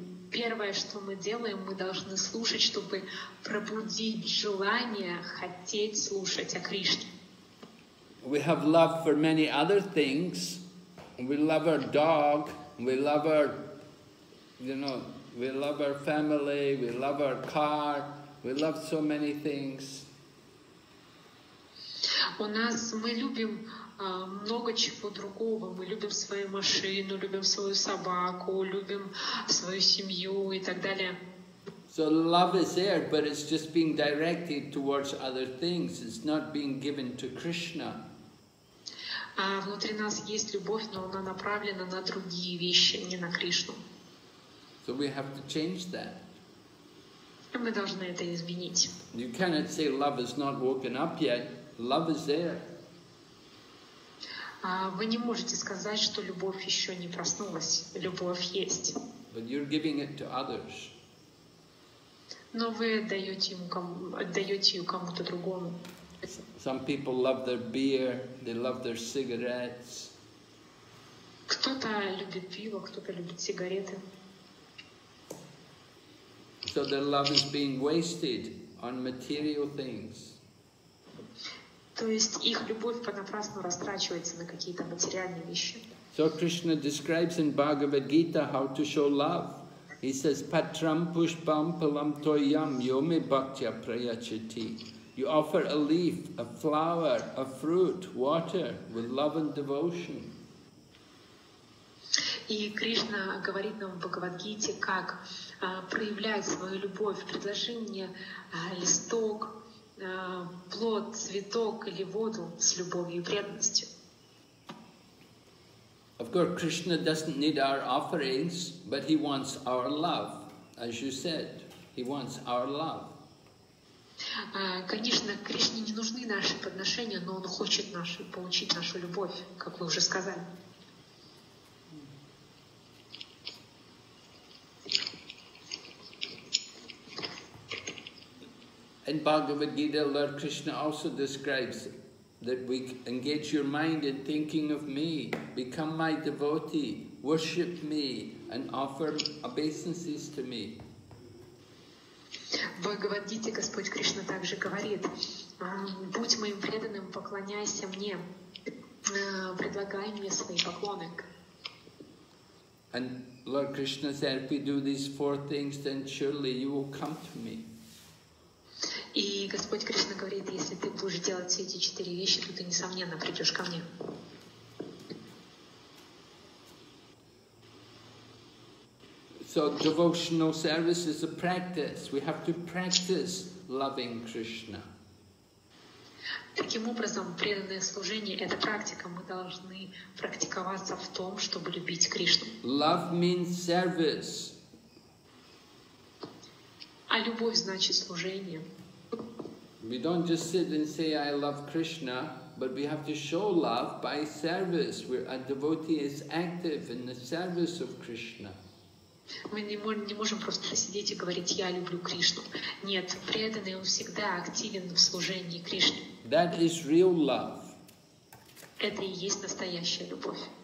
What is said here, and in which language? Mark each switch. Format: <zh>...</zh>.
<ru>Первое, что мы делаем, мы должны слушать, чтобы пробудить желание хотеть слушать о Кришне.</ru> <en>We have love for many other things. We love our dog, we love our family, we love our car, we love so many things.</en> <ru>Мы любим много чего другого. Мы любим свою машину, любим свою собаку, любим свою семью и так далее.</ru> <en>So love is there, but it's just being directed towards other things. It's not being given to Krishna.</en> <ru>Внутри нас есть любовь, но она направлена на другие вещи, не на Кришну.</ru> <en>So we have to change that.</en> <ru>И мы должны это изменить.</ru> <en>You cannot say love is not woken up yet. Love is there.</en> <ru>Вы не можете сказать, что любовь еще не проснулась. Любовь есть.</ru> <en>But you're giving it to others.</en> <ru>Но вы отдаете ее кому-то другому.</ru> <en>Some people love their beer, they love their cigarettes.</en> <ru>Кто-то любит пиво, кто-то любит сигареты.</ru> <en>So their love is being wasted on material things.</en> <ru>То есть их любовь понапрасну растрачивается на какие-то материальные вещи.</ru> <en>So Krishna describes in Bhagavad Gita how to show love. He says,</en> <sa>Patram pushpam palam toyam yome bhaktya prayachati.</sa> <en>You offer a leaf, a flower, a fruit, water with love and devotion.</en> <ru>И Кришна говорит нам в Бхагавад-гите, как проявлять свою любовь, предложи мне листок, плод, цветок или воду с любовью и преданностью.</ru> <en>Of course, Krishna doesn't need our offerings, but he wants our love, as you said. He wants our love.</en> <ru>Конечно, Кришне не нужны наши подношения, но он хочет нашу, получить нашу любовь, как вы уже сказали.</ru> <en>In Bhagavad Gita, Lord Krishna also describes that we engage your mind in thinking of me, become my devotee, worship me, and offer obeisances to me.</en> <ru>В Бхагавад-гите Господь Кришна также говорит: будь моим преданным, поклоняйся мне, предлагай мне свои поклоны.</ru> <en>And Lord Krishna said, if we do these four things, then surely you will come to me.</en> <ru>И Господь Кришна говорит, если ты будешь делать все эти четыре вещи, то ты, несомненно, придешь ко мне.</ru> <en>So devotional service is a practice. We have to practice loving Krishna.</en> <ru>Таким образом, преданное служение – это практика. Мы должны практиковаться в том, чтобы любить Кришну.</ru> <en>Love means service.</en> <ru>А любовь значит служение.</ru> <en>We don't just sit and say, I love Krishna, but we have to show love by service. Where a devotee is active in the service of Krishna.</en> <ru>Мы не можем просто сидеть и говорить, я люблю Кришну. Нет, преданный, он всегда активен в служении Кришне.</ru> <en>That is real love.</en> <ru>Это и есть настоящая любовь.</ru>